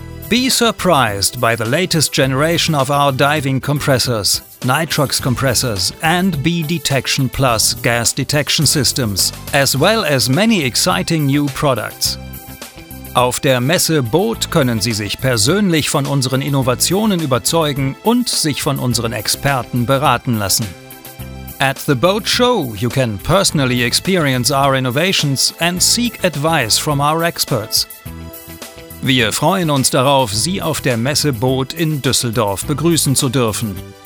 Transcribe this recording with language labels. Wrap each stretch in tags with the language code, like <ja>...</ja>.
<en>Be surprised by the latest generation of our diving compressors, Nitrox compressors and B Detection Plus gas detection systems, as well as many exciting new products.</en> <de>Auf der Messe Boot können Sie sich persönlich von unseren Innovationen überzeugen und sich von unseren Experten beraten lassen.</de> <en>At the Boat Show, you can personally experience our innovations and seek advice from our experts.</en> <de>Wir freuen uns darauf, Sie auf der Messe Boot in Düsseldorf begrüßen zu dürfen.</de>